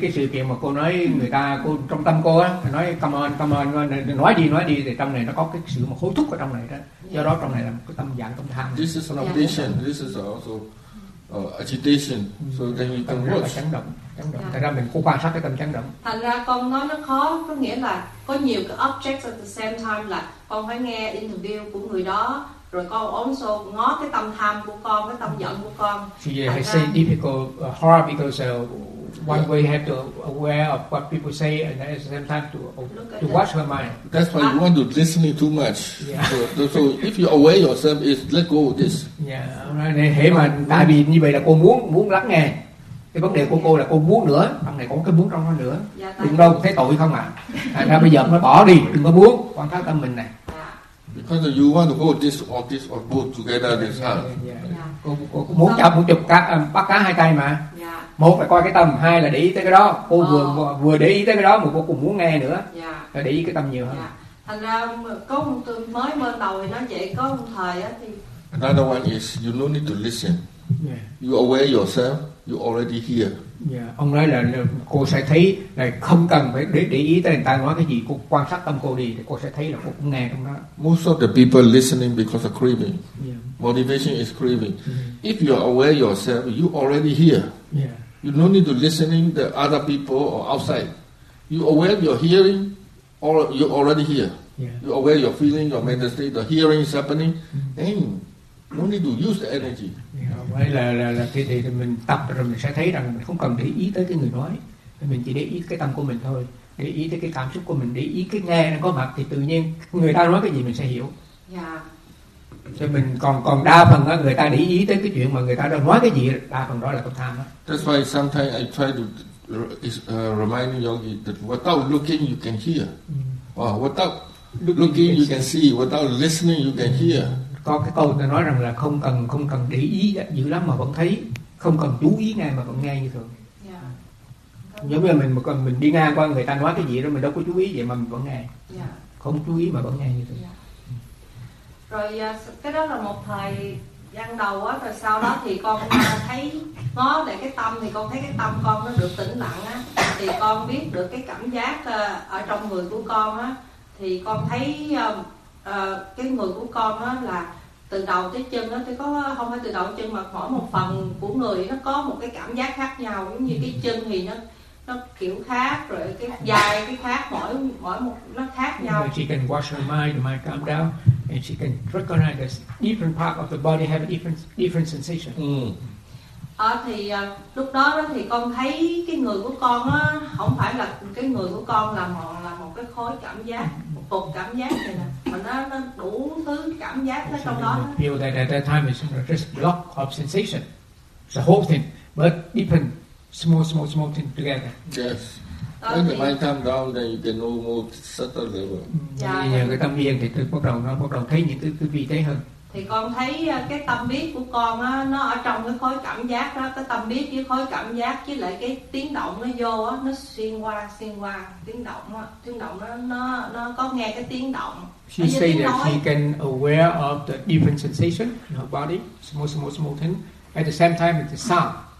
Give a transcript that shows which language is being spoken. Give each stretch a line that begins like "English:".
Vietnamese: Cái sự kiện mà cô nói người ta cô trong tâm cô á nói
English: come on
Vietnamese: nói đi thì trong này nó có cái sự mà hối thúc ở trong này đó. Do đó trong này là một cái tâm dạng tâm tham.
English: This is an objection. This is also agitation, so then you can watch.
Vietnamese: Chấn động, chấn động. Thành ra mình cố quan sát cái tâm chấn động. Thành ra con nói nó khó, có nghĩa là có nhiều cái objects
English: at the same time,
Vietnamese: là con phải nghe interview của người đó, rồi con also ngó cái tâm tham của con, cái tâm giận của con.
English: Yeah, I say difficult, hard because one way you have to aware of what people say and at the same time to watch her mind. That's why you want to listen too much. Yeah. So if you aware yourself, is let go of this. Yeah.
Vietnamese: Thế mà tại vì như vậy là cô muốn lắng nghe. Cái vấn đề của cô là cô muốn nữa. Thằng này có cái muốn trong nó nữa. Đừng đâu thấy tội không ạ. Thành ra bây giờ nó bỏ đi. Đừng có muốn. Quan sát tâm mình này.
English: Because you want to hold this or this or both together this hand.
Vietnamese: Cô muốn chụp bắt cá hai tay mà. Một là coi cái tâm, hai là để ý tới cái đó. Cô vừa để ý tới cái đó mà cô cũng muốn nghe nữa. Dạ. Để ý cái tâm nhiều hơn. Dạ. Thành ra có một tôi mới mơ đầu thì nói vậy, có một thời á thì
English: another one is you no need to listen. Yeah. You aware yourself, you already hear. Yeah.
Vietnamese: Ông nói là cô sẽ thấy là không cần phải để ý tới người ta nói cái gì, cô quan sát tâm cô đi thì cô sẽ thấy là cô cũng nghe trong đó.
English: Most of the people listening because of craving. Yeah. Motivation is craving. Yeah. If you aware yourself, you already hear. Yeah. You no need to listening to other people or outside. You aware your hearing, or you already hear. Yeah. You aware your feeling, your mental state, the hearing is happening. Mm-hmm. And no need to use the energy.
Vietnamese: Vậy là thì mình tập rồi mình sẽ thấy rằng mình không cần để ý tới cái người nói, mình chỉ để ý cái tâm của mình thôi, để ý tới cái cảm xúc của mình, để ý cái nghe nó có mặt thì tự nhiên người ta nói cái gì mình sẽ hiểu. Yeah. Cho mình còn đa phần á người ta để ý tới cái chuyện mà người ta đang nói cái gì, đa phần đó là tâm tham á.
English: That's why sometimes I try to remind yogi that without looking you can hear. Oh, without looking you can see. Without listening you can hear.
Vietnamese: Có cái câu người ta nói rằng là không cần để ý dữ lắm mà vẫn thấy, không cần chú ý nghe mà vẫn nghe như thường. Yeah. Giống như là mình đi ngang qua người ta nói cái gì đó mình đâu có chú ý vậy mà mình vẫn nghe. Yeah. Không chú ý mà vẫn nghe như thường. Yeah. Rồi cái đó là một thời gian đầu á, rồi sau đó thì con thấy nó để cái tâm thì con thấy cái tâm con nó được tĩnh lặng á, thì con biết được cái cảm giác ở trong người của con á, thì con thấy cái người của con á là từ đầu tới chân á, thì có không phải từ đầu chân mà mỗi một phần của người nó có một cái cảm giác khác nhau, giống như cái chân thì nó kiểu khác, rồi cái dài cái khác, mỗi một nó khác nhau.
English: She can wash her mind, mind calm down, and she can recognize that different part of the body have a different sensation.
Vietnamese: Thì lúc đó thì con thấy cái người của con á, không phải là cái người của con là một cái khối cảm giác, một cục cảm giác này nè, mà nó đủ thứ cảm giác hết trong đó.
English: Feel that at that time is just block of sensation, it's a whole thing, but different small thing together. Yes. When the mind calm down, then you can know more subtle level. Yeah.
Vietnamese: Cái tâm yên thì bắt đầu thấy những cái vị thế hơn. Thì con thấy cái tâm biết của con á, nó ở trong cái khối cảm giác đó, cái tâm biết với khối cảm giác với lại cái tiếng động nó vô á, nó xuyên qua tiếng động nó có nghe cái tiếng động.
English: She say that she can aware of the different sensation in her body, small thing, at the same time it's the sound.